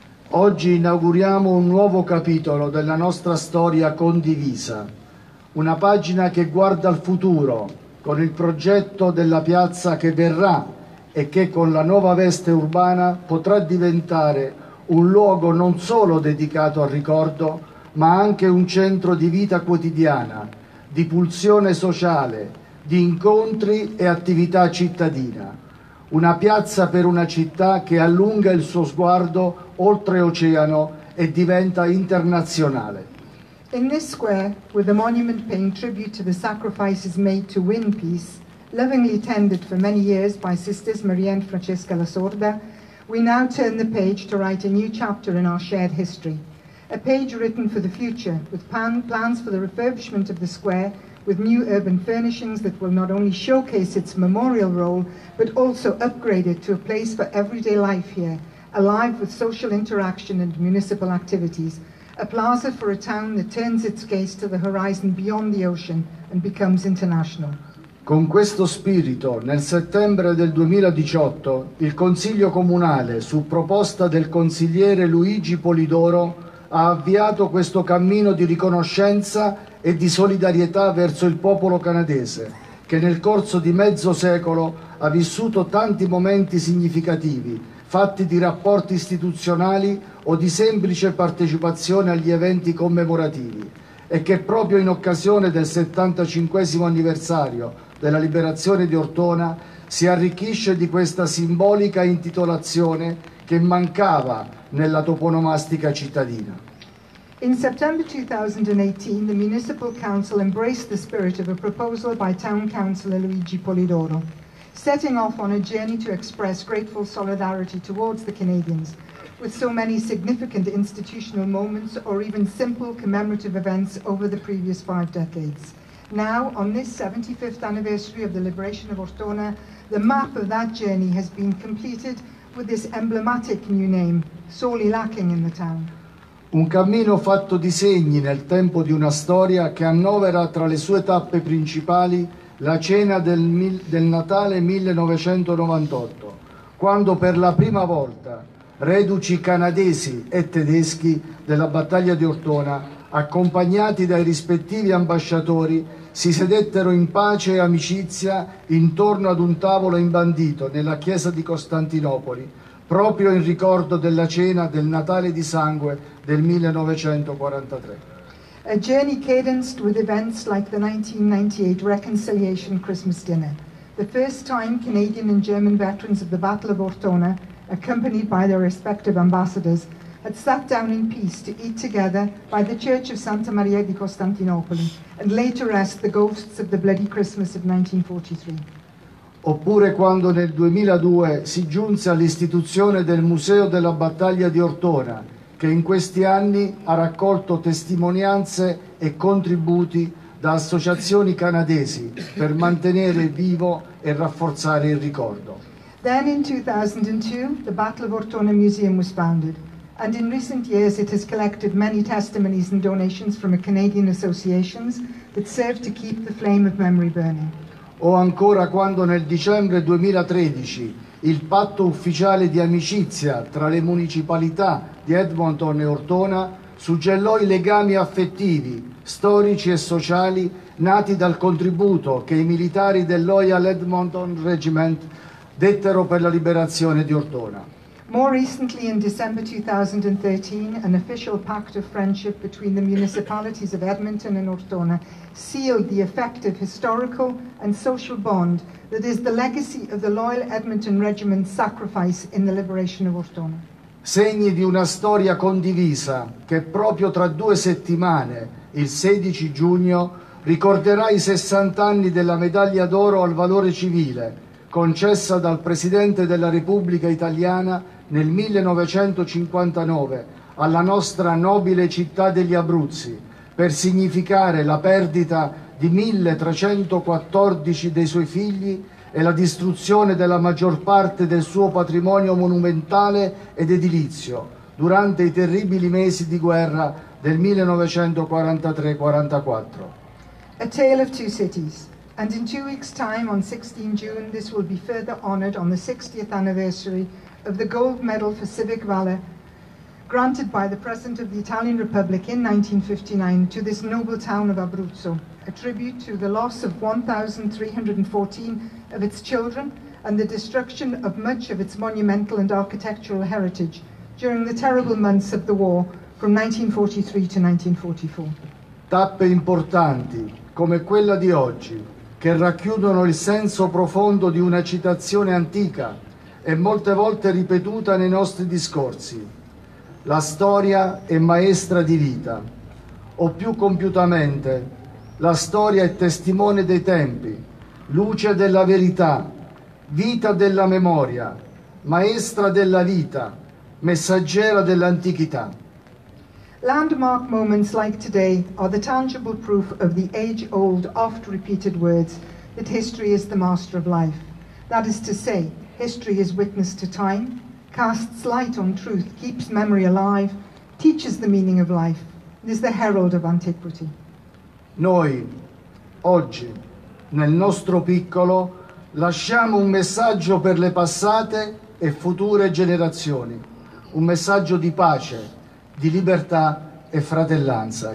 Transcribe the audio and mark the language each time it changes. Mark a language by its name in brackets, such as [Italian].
[Italian] oggi inauguriamo un nuovo capitolo della nostra storia condivisa, una pagina che guarda al futuro, con il progetto della piazza che verrà e che con la nuova veste urbana potrà diventare un luogo non solo dedicato al ricordo, ma anche un centro di vita quotidiana, di pulsione sociale, di incontri e attività cittadina. Una piazza per una città che allunga il suo sguardo oltre oceano e diventa internazionale. [English] In this square, with a monument paying tribute to the sacrifices made to win peace, lovingly tended for many years by sisters Maria and Francesca La Sorda, we now turn the page to write a new chapter in our shared history. A page written for the future, with plans for the refurbishment of the square, with new urban furnishings that will not only showcase its memorial role, but also upgrade it to a place for everyday life here, alive with social interaction and municipal activities. A plaza for a town that turns its gaze to the horizon beyond the ocean and becomes international. [Italian] Con questo spirito, nel settembre del 2018, il Consiglio Comunale, su proposta del consigliere Luigi Polidoro, ha avviato questo cammino di riconoscenza e di solidarietà verso il popolo canadese, che nel corso di mezzo secolo ha vissuto tanti momenti significativi, fatti di rapporti istituzionali o di semplice partecipazione agli eventi commemorativi, e che proprio in occasione del 75esimo anniversario della liberazione di Ortona si arricchisce di questa simbolica intitolazione che mancava nella toponomastica cittadina. [English] In September 2018, the Municipal Council embraced the spirit of a proposal by Town Councillor Luigi Polidoro, setting off on a journey to express grateful solidarity towards the Canadians, with so many significant institutional moments or even simple commemorative events over the previous five decades. Now, on this 75th anniversary of the liberation of Ortona, the map of that journey has been completed with this emblematic new name, sorely lacking in the town. [Italian] Un cammino fatto di segni nel tempo di una storia che annovera tra le sue tappe principali la cena del Natale 1998, quando per la prima volta reduci canadesi e tedeschi della battaglia di Ortona, accompagnati dai rispettivi ambasciatori, si sedettero in pace e amicizia intorno ad un tavolo imbandito nella chiesa di Costantinopoli, proprio in ricordo della cena del Natale di sangue del 1943. [English] A journey cadenced with events like the 1998 Reconciliation Christmas Dinner, the first time Canadian and German veterans of the Battle of Ortona, accompanied by their respective ambassadors, had sat down in peace to eat together by the Church of Santa Maria di Costantinopoli and lay to rest the ghosts of the Bloody Christmas of 1943. [Italian] Oppure quando nel 2002 si giunse all'istituzione del Museo della Battaglia di Ortona, che in questi anni ha raccolto testimonianze e contributi da associazioni canadesi per mantenere vivo e rafforzare il ricordo. [English] Then in 2002, the Battle of Ortona Museum was founded, and in recent years it has collected many testimonies and donations from Canadian associations, that served to keep the flame of memory burning. [Italian] O ancora quando nel dicembre 2013 il patto ufficiale di amicizia tra le municipalità di Edmonton e Ortona suggellò i legami affettivi, storici e sociali nati dal contributo che i militari del Loyal Edmonton Regiment dettero per la liberazione di Ortona. [English] More recently, in December 2013, an official pact of friendship between the municipalities of Edmonton and Ortona sealed the effective historical and social bond that is the legacy of the Loyal Edmonton Regiment's sacrifice in the liberation of Ortona. [Italian] Segni di una storia condivisa che proprio tra due settimane, il 16 giugno, ricorderà i 60 anni della medaglia d'oro al valore civile, concessa dal Presidente della Repubblica Italiana nel 1959 alla nostra nobile città degli Abruzzi, per significare la perdita di 1314 dei suoi figli e la distruzione della maggior parte del suo patrimonio monumentale ed edilizio durante i terribili mesi di guerra del 1943-44. [English] A tale of two cities. And in 2 weeks' time, on 16 June, this will be further honored on the 60th anniversary of the Gold Medal for Civic Valor granted by the President of the Italian Republic in 1959 to this noble town of Abruzzo, a tribute to the loss of 1,314 of its children and the destruction of much of its monumental and architectural heritage during the terrible months of the war from 1943 to 1944. [Italian] Tappe importanti, come quella di oggi, che racchiudono il senso profondo di una citazione antica e molte volte ripetuta nei nostri discorsi. La storia è maestra di vita, o più compiutamente, la storia è testimone dei tempi, luce della verità, vita della memoria, maestra della vita, messaggera dell'antichità. [English] Landmark moments like today are the tangible proof of the age-old, oft-repeated words that history is the master of life. That is to say, history is witness to time, casts light on truth, keeps memory alive, teaches the meaning of life, and is the herald of antiquity. [Italian] Noi, oggi, nel nostro piccolo, lasciamo un messaggio per le passate e future generazioni, un messaggio di pace, di libertà e fratellanza.